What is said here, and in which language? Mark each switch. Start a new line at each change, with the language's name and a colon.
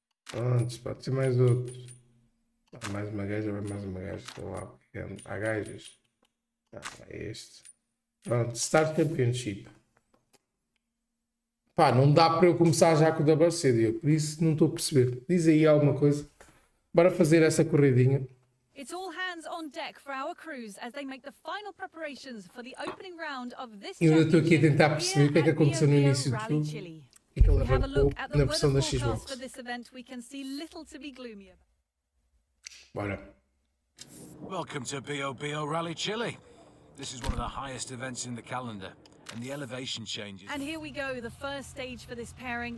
Portuguese: Pronto, pode ser mais outro. Mais uma gaja, vai mais uma gaja. Estou lá, pequeno. Há gajas. Ah, é este. Pronto, Start Championship. Pá, não dá para eu começar já com o WC, por isso não estou a perceber. Diz aí alguma coisa. Bora fazer essa corridinha.
English: It's all hands on deck for our crews as they make the final preparations for the opening round of this championship.
Portuguese: Eu estou aqui a tentar perceber o que é que aconteceu no início do jogo. E que ela arrancou na versão da Xbox.
English: For this event, we can see little to be gloomy about.
Portuguese: Bora.
English: Welcome to BOBO Rally Chile. This is one of the highest events in the calendar and the elevation changes. And here we go, the first stage for this pairing.